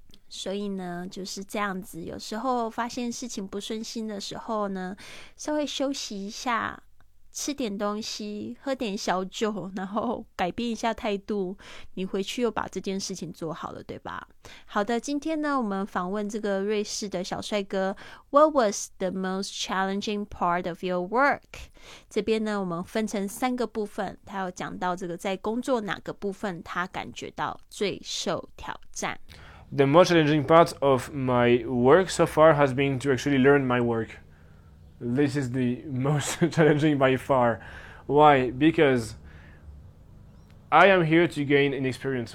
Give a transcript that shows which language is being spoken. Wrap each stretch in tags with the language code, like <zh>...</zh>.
<zh>所以呢就是这样子，有时候发现事情不顺心的时候呢，稍微休息一下，吃点东西，喝点小酒，然后改变一下态度，你回去又把这件事情做好了，对吧？好的，今天呢我们访问这个瑞士的小帅哥，</zh> <en>What was the most challenging part of your work?</en> <zh>这边呢我们分成三个部分，他有讲到这个在工作哪个部分他感觉到最受挑战。</zh> <en>The most challenging part of my work so far has been to actually learn my work. This is the most challenging by far. Why? Because I am here to gain an experience.</en>